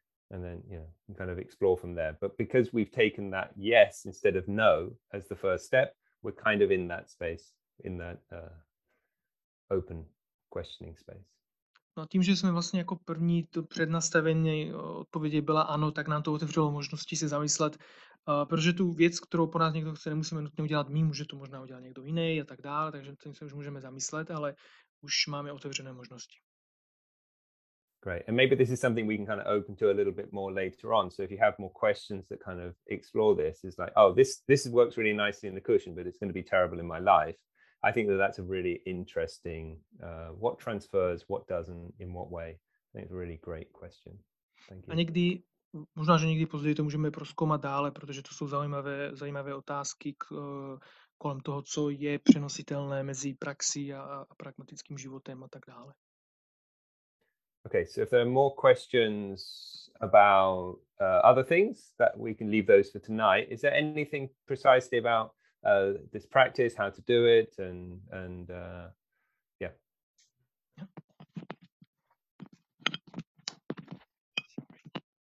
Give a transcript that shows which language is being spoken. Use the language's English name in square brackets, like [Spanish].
[English] And then, you know, kind of explore from there. But because we've taken that yes instead of no as the first step, we're kind of in that space, in that open questioning space. [Czech] No, tím, že jsme vlastně jako první to přednastavení odpovědi byla ano, tak nám to otevřelo možnosti se zamyslet, protože tu věc, kterou po nás někdo chce, nemusíme nutně udělat my, může to možná udělat někdo jiný a tak dále, takže tím se už můžeme zamyslet, ale už máme otevřené možnosti. [English] Great. And maybe this is something we can kind of open to a little bit more later on. So if you have more questions that kind of explore this, it's like, oh, this works really nicely in the cushion, but it's going to be terrible in my life. I think that's a really interesting what transfers, what doesn't, in what way. I think it's a really great question. Thank you. [Czech] A někdy, možná, že někdy později to můžeme prozkoumat dále, protože to jsou zajímavé otázky kolem toho, co je přenositelné mezi praxí a pragmatickým životem a tak dále. [English] Okay, so if there are more questions about other things, that we can leave those for tonight. Is there anything precisely about this practice, how to do it, and yeah.